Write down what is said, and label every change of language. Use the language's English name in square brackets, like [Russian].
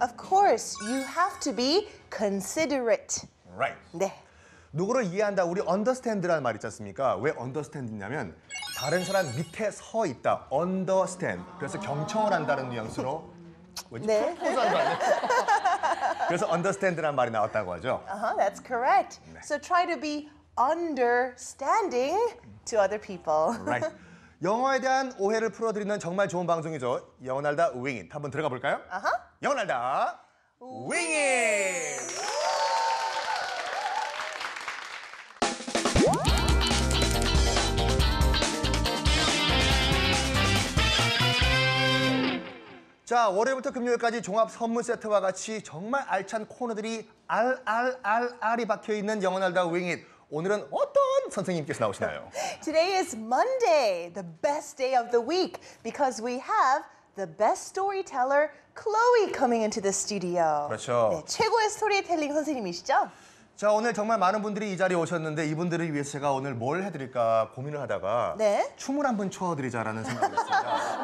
[English] Of course, you have to be considerate. Right. [Korean] 네. 누구를 이해한다, 우리 understand라는 말 있지 않습니까? 왜 understand냐면 다른 사람 밑에 서 있다, understand. 그래서 경청을 한다는 뉘앙스로 왠지 네. 프로포즈한 거 아니에요? 그래서 understand라는 말이 나왔다고 하죠. [English] Uh-huh, that's correct. [Korean] 네. [English] So try to be understanding to other people. Right. [Korean] 영어에 대한 오해를 풀어드리는 정말 좋은 방송이죠. 영어날다 Wing It. 한번 들어가 볼까요? [English] Uh-huh. [Korean] 영어날다 Wing It! 자, 월요일부터 금요일까지 종합 선물 세트와 같이 정말 알찬 코너들이 알알알알이 박혀있는 영원할다 Wing It. 오늘은 어떤 선생님께서 나오시나요? [English] Today is Monday, the best day of the week, because we have the best storyteller, Chloe, coming into the studio. [Korean] 그렇죠. 네, 최고의 스토리텔링 선생님이시죠? 자, 오늘 정말 많은 분들이 이 자리에 오셨는데 이분들을 위해서 제가 오늘 뭘 해드릴까 고민을 하다가 네? 춤을 한번 추어드리자라는 생각이었습니다.